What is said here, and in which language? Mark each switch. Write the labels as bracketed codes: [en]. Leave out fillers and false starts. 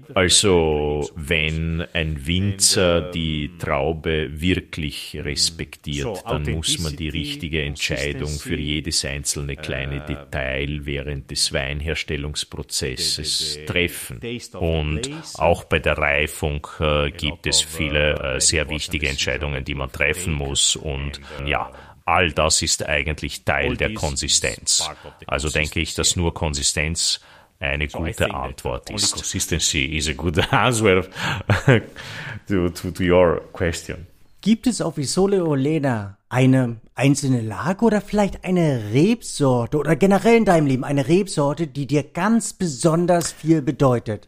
[de] Also, wenn ein Winzer die Traube wirklich respektiert, dann muss man die richtige Entscheidung für jedes einzelne kleine Detail während des Weinherstellungsprozesses treffen. Und auch bei der Reifung gibt es viele sehr wichtige Entscheidungen, die man treffen muss. Und ja, all das ist eigentlich Teil der Konsistenz. Also denke ich, dass nur Konsistenz eine gute Antwort ist. [en] Consistency is a good answer to your question. [de] Gibt es auf Isole Olena eine einzelne Lage oder vielleicht eine Rebsorte oder generell in deinem Leben eine Rebsorte, die dir ganz besonders viel bedeutet?